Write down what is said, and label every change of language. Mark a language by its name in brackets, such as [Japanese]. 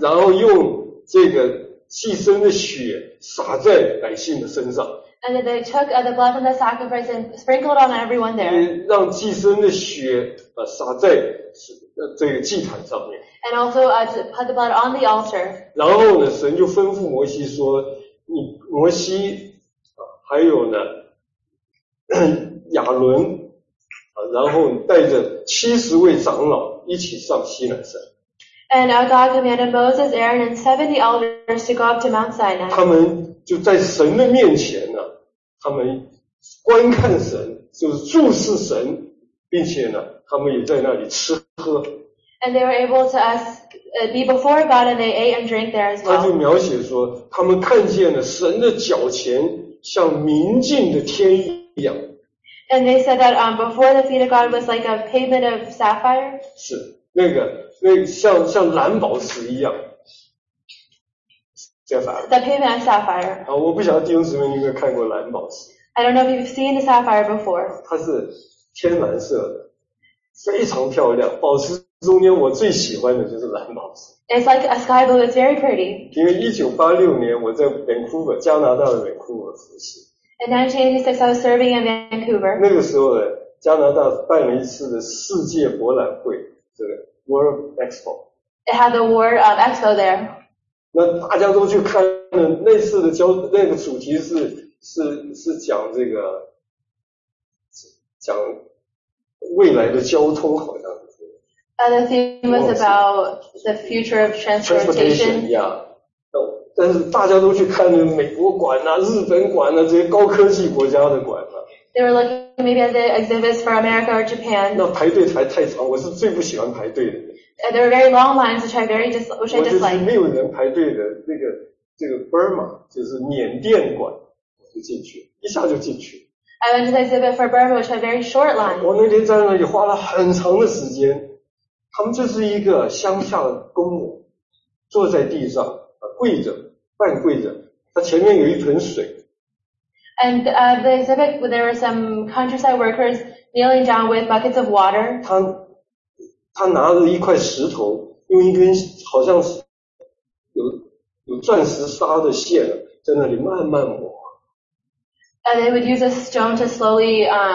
[Chinese] 然后用这个祭牲的血洒在百姓的身上。 [English] And they took the blood from the sacrifice and sprinkled on everyone there. [Chinese] 让祭牲的血洒在这个祭坛上面。 [English] And also put the blood on the altar. [Chinese] 然后呢，神就吩咐摩西说：“你摩西还有呢亚伦然后带着70位长老一起上西乃山。 [English] And our God commanded Moses, Aaron, and 70 elders to go up to Mount Sinai. [Chinese] 他们就在神的面前呢，他们观看神，就是注视神，并且呢，他们也在那里吃喝。 [English] And they were able to be before God, and they ate and drank there as well. [Chinese] 他就描写说，他们看见了神的脚前像明镜的天一样。 [English] And they said that before the feet of God was like a pavement of sapphire. [Chinese] 是那个。那像蓝宝石一样 [English] The pavement of sapphire. [Chinese] 好，我不晓得弟兄姊妹你有没有看过蓝宝石。 [English] I don't know if you've seen the sapphire before. [Chinese] 它是天蓝色的，非常漂亮。宝石中间我最喜欢的就是蓝宝石。 [English] It's like a sky blue. It's very pretty. [Chinese] 因为1986年我在 Vancouver, 加拿大的 Vancouver 服侍。 [English] In 1986, I was serving in Vancouver. [Chinese] 那个时候呢，加拿大办了一次的世界博览会，这个。 [English] World Expo. It had the World Expo there. [Chinese] 那大家都去看了类似的交那个主题是讲这个讲未来的交通好像是。 [English] The theme was about the future of transportation. Yeah. [Chinese] 但是大家都去看了美国馆啊日本馆啊这些高科技国家的馆。 [English] They were looking maybe at the exhibits for America or Japan. [Chinese] 那排队排太长，我是最不喜欢排队的。 [English] There were very long lines, which I very dislike. [Chinese] 我就是没有人排队的那个这个 Burma 就是缅甸馆，我就进去，一下就进去。 [English] I went to the exhibit for Burma, which had very short lines. [Chinese] 我那天在那里花了很长的时间。他们就是一个乡下的公母，坐在地上，跪着，半跪着，他前面有一盆水。 [English] And the exhibit, there were some countryside workers kneeling down with buckets of water. [Chinese] 他拿着一块石头，用一根好像是有钻石纱的线，在那里慢慢磨。 [English] And they would use a stone to slowly